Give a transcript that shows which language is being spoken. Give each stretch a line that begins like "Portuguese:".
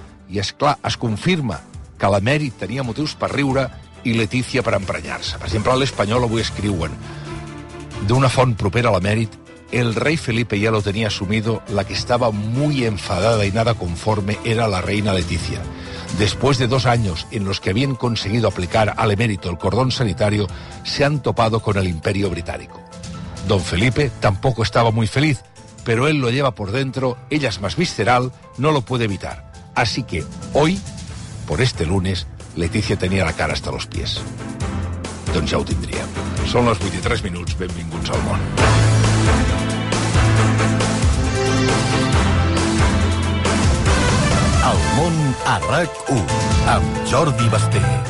Catalan: I és clar, es confirma que l'emèrit tenia motius per riure i Letícia per emprenyar-se. Per exemple, a l'Espanyol avui escriuen d'una font propera a l'emèrit:
Spanish: el rei Felipe ya lo tenía asumido, la que estaba muy enfadada y nada conforme era la reina Letícia. Después de 2 años en los que habían conseguido aplicar al emérito el cordón sanitario, se han topado con el imperio británico. Don Felipe tampoco estaba muy feliz, pero él lo lleva por dentro, ella es más visceral, no lo puede evitar. Así que hoy, por este lunes, Letícia tenía la cara hasta los pies.
Catalan: Doncs ja ho tindria. Són les 8 i 3 minuts, benvinguts al món. El món a RAC1, amb Jordi Basté.